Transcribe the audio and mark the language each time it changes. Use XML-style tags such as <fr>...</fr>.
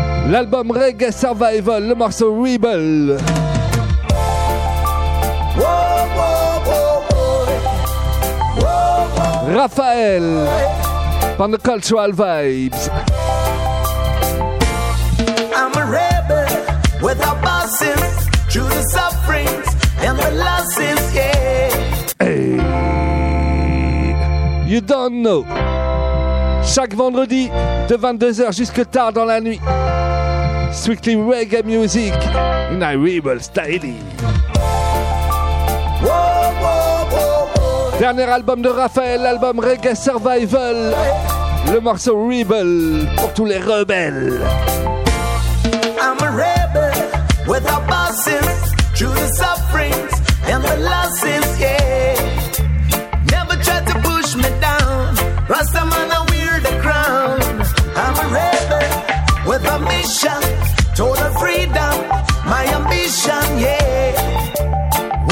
<fr>L'album Reggae Survival, le morceau Rebel. Raphaël, par The Cultural Vibes.</fr> <en>I'm a rebel without bosses, through the sufferings and the losses, yeah. Hey, you don't know.</en> <fr>Chaque vendredi, de 22h jusque tard dans la nuit.</fr> <en>Strictly reggae music in a rebel style.</en> <fr>Dernier album de Raphaël, l'album Reggae Survival. Le morceau Rebel pour tous les rebelles.</fr> <en>I'm a rebel without bosses, through the sufferings and the losses, yeah. Never try to push me down, Rastaman, I wear the crown. I'm a rebel with a mission, total freedom, my ambition, yeah.</en>